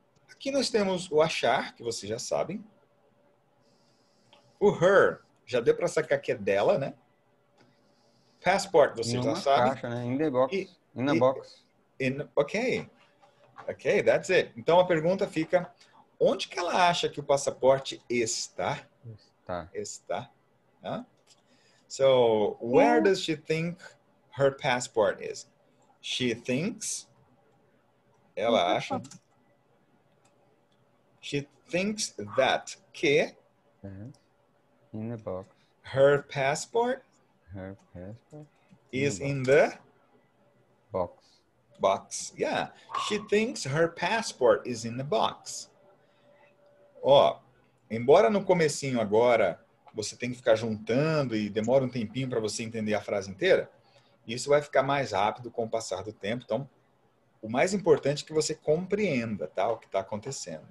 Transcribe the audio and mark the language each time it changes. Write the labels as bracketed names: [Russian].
[Portuguese] Aqui nós temos o achar, que vocês já sabem. O her, já deu para sacar que é dela, né? Passport, vocês já sabem. Caixa, né? [English] In the box. Ok. Ok, that's it. [Portuguese] Então a pergunta fica: onde que ela acha que o passaporte está? Está. Está. [English] So, where does she think her passport is? She thinks. [Portuguese] Ela acha. [English] She thinks that. [Portuguese] Que? [English] In the box. Her passport is in the box. Box. Yeah. She thinks her passport is in the box. [Portuguese] Ó, embora no comecinho agora você tem que ficar juntando e demora um tempinho para você entender a frase inteira, isso vai ficar mais rápido com o passar do tempo. Então, o mais importante é que você compreenda, tá, o que está acontecendo.